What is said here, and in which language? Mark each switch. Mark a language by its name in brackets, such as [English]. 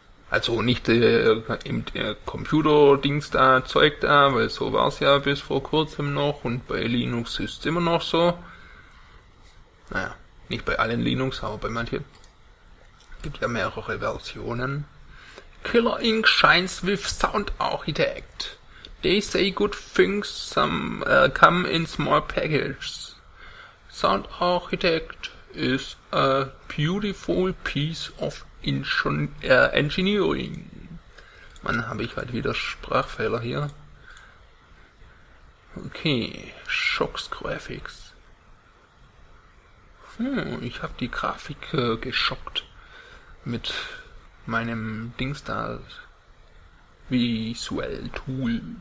[German] Also nicht im Computer-Dings da, Zeug da, weil so war es ja bis vor kurzem noch und bei Linux ist es immer noch so. Naja, nicht bei allen Linux, aber bei manchen. Gibt ja mehrere Versionen. [English] Killer Inc. shines with Sound Architect. They say good things come in small packages. Sound Architect is a beautiful piece of engineering. [German] Mann, habe ich halt wieder Sprachfehler hier. [English] Okay, Shocks Graphics. [German] Ich habe die Grafik geschockt mit meinem Dings da Visual Tool.